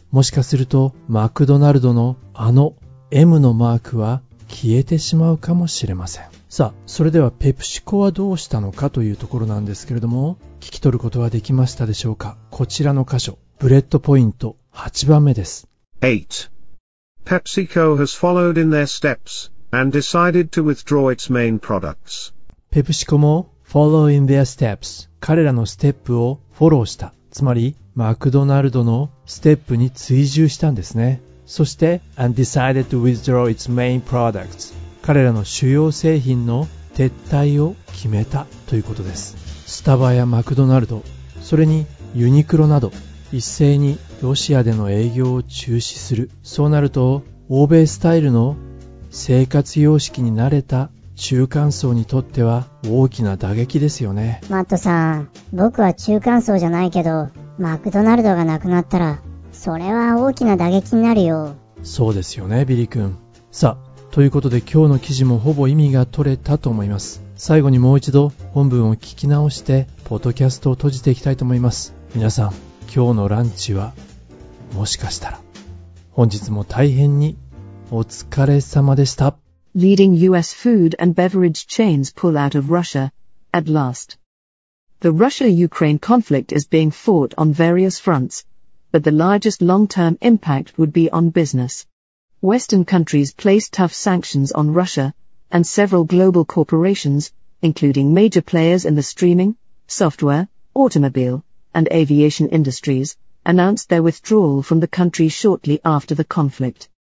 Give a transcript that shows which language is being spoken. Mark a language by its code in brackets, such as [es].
[ja] もしかするとマクドナルドのあの M のマークは消えてしまうかもしれません。さあ、それではペプシコはどうしたのかというところなんですけれども、聞き取ることはできましたでしょうか。こちらの箇所、ブレッドポイント8番目です。 [en] 8. PepsiCo has followed in their steps and decided to withdraw its main products. [ja] ペプシコも [en] Follow in their steps. [ja] 彼らのステップをフォローした。つまり、マクドナルドのステップに追従したんですね。そして、 [en] and decided to withdraw its main products. [ja] 彼らの主要製品の撤退を決めたということです。スタバやマクドナルド、それにユニクロなど、一斉にロシアでの営業を中止する。そうなると、欧米スタイルの生活様式に慣れた中間層にとっては大きな打撃ですよね。マットさん、僕は中間層じゃないけど、マクドナルドがなくなったらそれは大きな打撃になるよ。そうですよね、ビリ君。さあ、ということで今日の記事もほぼ意味が取れたと思います。最後にもう一度本文を聞き直してポッドキャストを閉じていきたいと思います。皆さん、今日のランチはもしかしたら。本日も大変にお疲れ様でした。 [en] Leading US food and beverage chains pull out of Russia, at last. The Russia-Ukraine conflict is being fought on various fronts, but the largest long-term impact would be on business. Western countries place tough sanctions on Russia, and several global corporations, including major players in the streaming, software, automobile, and aviation industries, announced their withdrawal from the country shortly after the conflict.